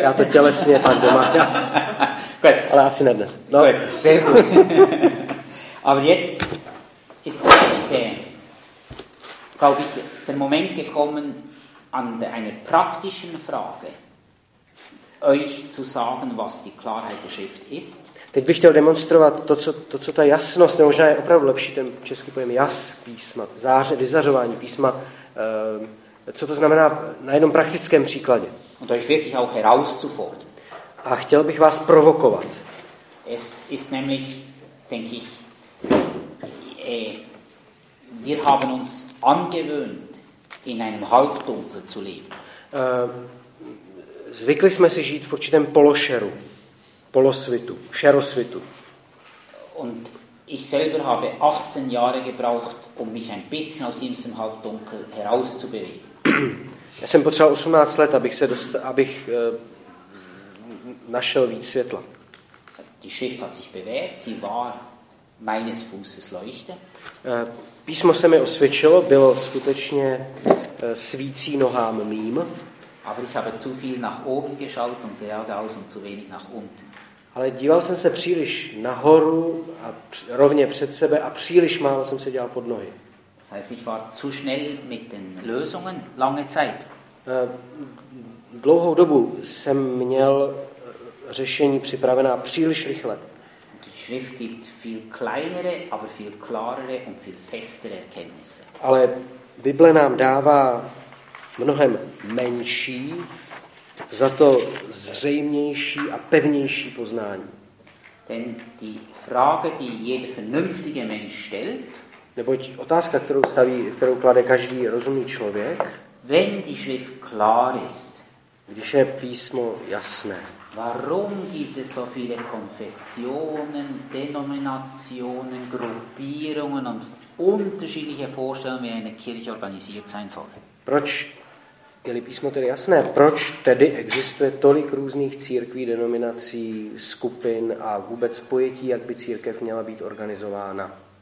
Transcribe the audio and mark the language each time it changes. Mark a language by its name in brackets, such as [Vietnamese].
[Czech] Já to tělesně tak doma. Ale asi ne dnes. [German] No. Gut, sehr gut. Aber jetzt ist wirklich, glaube ich, der Moment gekommen, an einer praktischen Frage euch zu sagen, was die Klarheit der Schrift ist. [Czech] Teď bych chtěl demonstrovat to, co ta jasnost, nebo možná je opravdu lepší ten český pojem jas písma, záře, vyzařování písma, co to znamená na jednom praktickém příkladě. [German] Und euch wirklich auch herauszufordern. [Czech] A chtěl bych vás provokovat. [German] Es ist nämlich, denke ich, wir haben uns angewöhnt, in einem Halbdunkel zu leben. [Czech] Zvykli jsme si žít v určitém pološeru, polosvitu, šerosvitu. [German] Und ich selber habe 18 Jahre gebraucht, um mich ein bisschen aus diesem Halbdunkel herauszubewegen. [Czech] Já jsem potřeboval 18 let, abych našel víc světla. [German] Die Schrift hat sich bewährt, sie war meines Fußes Leuchte. [Czech] Písmo se mi osvědčilo, bylo skutečně svící nohám mým. [German] Aber ich habe zu viel nach oben geschaut und geradeaus und zu wenig nach unten. [Czech] Ale díval jsem se příliš nahoru a rovně před sebe a příliš málo jsem se dělal pod nohy. [German] Das heißt, ich war zu schnell mit den Lösungen lange Zeit. [Czech] Dlouhou dobu jsem měl řešení připravená příliš rychle. [German] Die Schrift gibt viel kleinere, aber viel klarere und viel festere Erkenntnisse. [Czech] Ale Bible nám dává mnohem menší, za to zřejmější a pevnější poznání. [German] Denn die Frage, die jeder vernünftige Mensch stellt, [Czech] neboť otázka, kterou klade každý rozumný člověk, [German] wenn die Schrift klar ist, [Czech] když je písmo jasné, [German] warum gibt es so viele Konfessionen, Denominationen, Gruppierungen und unterschiedliche Vorstellungen, wie eine Kirche organisiert sein soll? [Czech] Proč je-li písmo tedy jasné, proč tedy existuje tolik různých církví, denominací, skupin a vůbec pojetí, jak by církev měla být organizována?